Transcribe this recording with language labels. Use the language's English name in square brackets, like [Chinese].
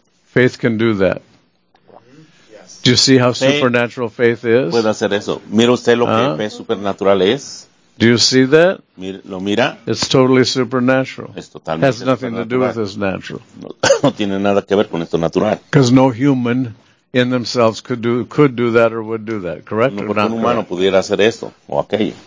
[English] Faith can do that. Yes. Do you see how supernatural faith is? [Spanish] Puede hacer eso. ¿Mira usted lo que fe supernatural es? [English] Do you see that? [Spanish] ¿Lo mira? [English] It's totally supernatural. [Spanish] Es totalmente [English] has nothing to do with this natural. [Spanish] No tiene nada que ver con esto natural. [English] Because no human in themselves could do that or would do that. Correct? [Spanish] No, un humano pudiera hacer esto o aquello.